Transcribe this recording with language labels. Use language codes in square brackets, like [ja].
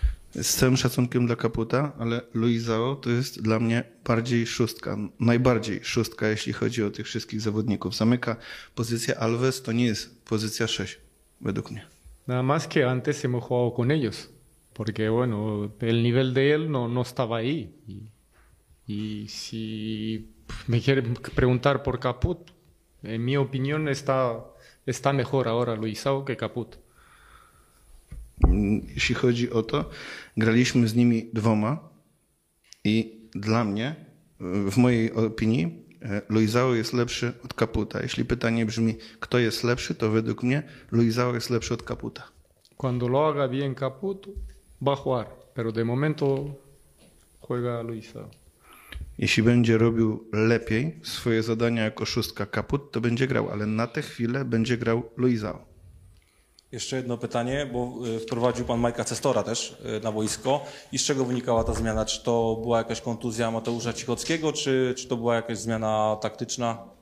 [pl] Z całym szacunkiem dla Kaputa, ale Luizao to jest dla mnie bardziej szóstka, najbardziej szóstka, jeśli chodzi o tych wszystkich zawodników. Zamyka pozycję Alves, to nie jest pozycja 6, według mnie. [es] Nada más que antes hemos jugado con ellos, porque bueno, el nivel de él no estaba ahí. Y si me quiere preguntar por Kaput, en mi opinión está mejor ahora Luizao que Kaput. [pl] Jeśli chodzi o to, graliśmy z nimi dwoma i dla mnie, w mojej opinii, Luizao jest lepszy od Kaputa. Jeśli pytanie brzmi, kto jest lepszy, to według mnie Luizao jest lepszy od Kaputa. [es] Cuando lo haga bien Kaput, va a jugar, pero de momento juega Luizao. [pl] Jeśli będzie robił lepiej swoje zadania jako szóstka Kaput, to będzie grał, ale na tę chwilę będzie grał Luizao. Jeszcze jedno pytanie, bo wprowadził pan Majka Cestora też na boisko. I z czego wynikała ta zmiana? Czy to była jakaś kontuzja Mateusza Cichockiego, czy to była jakaś zmiana taktyczna?